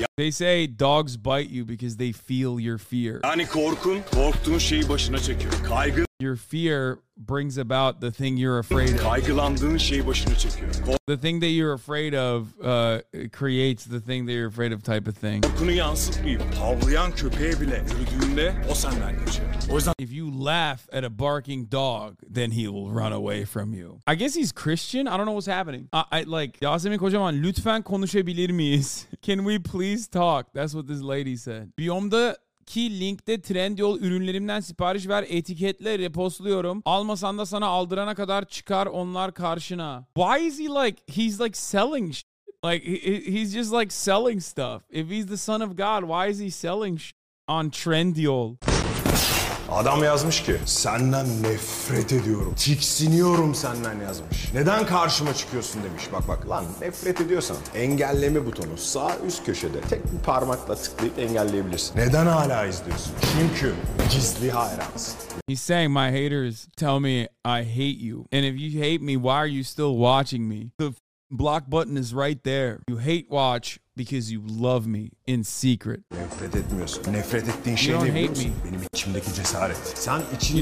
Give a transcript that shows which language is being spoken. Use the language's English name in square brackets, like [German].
[English] They say dogs bite you because they feel your fear. [Turkish] Yani korkun, korktuğun şeyi başına çekiyor. Kaygın. [English] Your fear brings about the thing you're afraid of. [Turkish] Kaygılandığın şeyi başına çekiyor. [English] The thing that you're afraid of creates the thing that you're afraid of type of thing. [Turkish] Korkunu yansıtmayıp tavlayan köpeğe bile ürdüğünde o senden kaçıyor. O yüzden [English] if you laugh at a barking dog, then he will run away from you. I guess he's Christian. I don't know what's happening. I Yasemin Kocaman, [Turkish] lütfen konuşabilir miyiz? [English] Can we please talk? That's what this lady said. [Turkish] Biyomda ki linkte Trendyol ürünlerimden sipariş ver, etiketle repostluyorum. Almasan da sana aldırana kadar çıkar onlar karşına. [English] Why is he like, he's like selling shit. Like he's just like selling stuff. If he's the son of God, why is he selling shit on Trendyol? [Turkish] Adam yazmış ki, senden nefret ediyorum. Tiksiniyorum senden yazmış. Neden karşıma çıkıyorsun demiş. Bak lan nefret ediyorsan engelleme butonu sağ üst köşede tek bir parmakla tıklayıp engelleyebilirsin. Neden hala izliyorsun? Çünkü gizli hayransın. [English] He's saying my haters tell me I hate you. And if you hate me, why are you still watching me? The block button is right there. You hate watch because you love me in secret. [Turkish] Nefret etmiyorsun. Nefret ettiğin şey değil. [English] Hate me. [Turkish] Benim içimdeki cesaret. Sen içinde.